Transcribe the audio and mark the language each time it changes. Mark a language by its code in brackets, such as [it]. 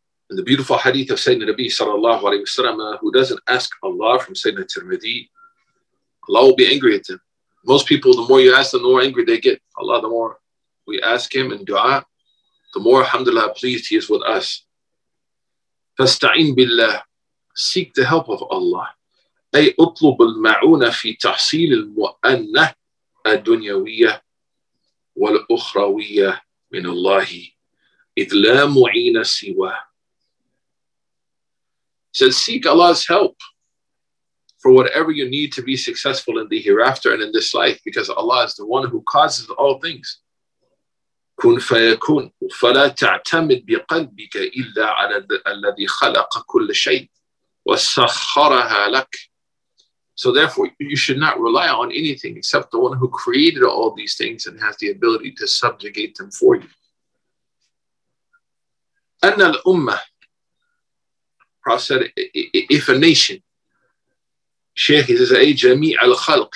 [en] And the beautiful hadith of Sayyidina Nabi sallallahu alayhi wa sallam, who doesn't ask Allah, from Sayyidina Tirmidhi, Allah will be angry at them. Most people, the more you ask, the more angry they get. Allah, the more we ask Him in dua, the more, alhamdulillah, pleased He is with us. [ar] فَاسْتَعِنْ بِاللَّهِ. [en] Seek the help of Allah. [ar] أي أطلب المعونة في تحصيل المؤنة الدنيوية والأخروية من الله إذ لا معين سواه. [en] Says, seek Allah's help for whatever you need to be successful in the hereafter and in this life, because Allah is the one who causes all things. [ar] كن فيكون فلا تعتمد بقلبك إلا على الذي خلق كل شيء وسخرها لك. [en] So therefore, you should not rely on anything except the one who created all these things and has the ability to subjugate them for you. [ar] أَنَّ الْأُمَّةِ. [en] Prophet said, if a nation, Shaykh, he says, [ar] جَمِيعَ الْخَلْقِ.